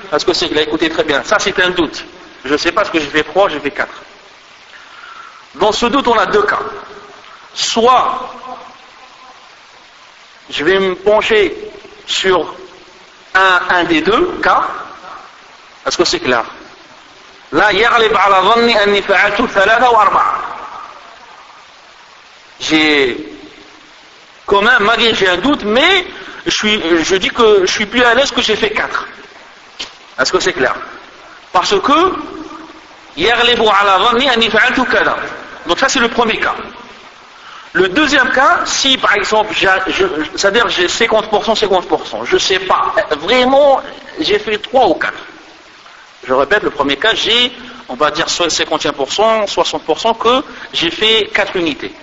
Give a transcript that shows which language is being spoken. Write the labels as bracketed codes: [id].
[fr] Parce que c'est qu'il a écouté très bien. Ça, c'est un doute. Je ne sais pas ce que j'ai fait 3 ou j'ai fait 4. Dans ce doute, on a deux cas. Soit je vais me pencher sur un des deux cas. Est-ce que c'est clair? Là, [ar] يغلب على ظني أني فعلت ثلاثة وأربعة. [fr] J'ai quand même, malgré j'ai un doute, mais je dis que je suis plus à l'aise que j'ai fait 4. Est-ce que c'est clair? Parce que [ar] يغلب على ظني أني فعلت كذا. [fr] Donc ça, c'est le premier cas. Le deuxième cas, si par exemple, c'est-à-dire j'ai 50%, 50%, je ne sais pas, vraiment, j'ai fait 3 ou 4. Je répète, le premier cas, j'ai, on va dire, 51%, 60%, que j'ai fait 4 unités.